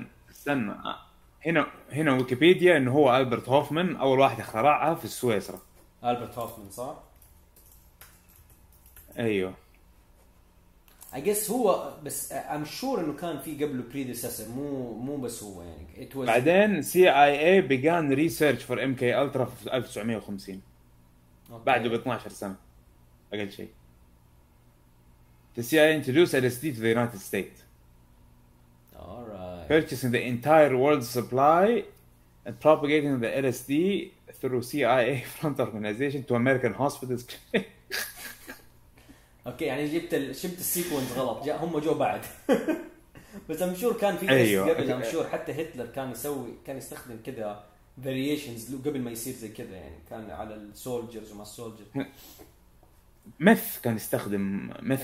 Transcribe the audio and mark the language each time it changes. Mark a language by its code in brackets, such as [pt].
[ar] استنى هنا ويكيبيديا إنه هو ألبرت هوفمان أول واحد اخترعها في سويسرا ألبرت هوفمان صح أيوة [en] I guess [ar] هو بس [en] I'm sure [ar] إنه كان في قبله predecessor مو بس هو يعني [en] it was [ar] بعدين [en] CIA began research for MK Ultra في 1950 okay. [ar] بعده ب 12 سنة أقل شيء. [en] The CIA introduced LSD to the United States. Alright. Purchasing the entire world's supply and propagating the LSD through CIA front organization to American hospitals. [ar] أوكي يعني جبت السيكونس غلط هم جو بعد. بس [en] I'm sure [ar] كان في أيوة. قبل [en] I'm sure [ar] حتى هتلر كان يستخدم كذا. variations قبل ما يصير زي كذا يعني كان على السولجرز وما السولجرز ميث كان يستخدم ميث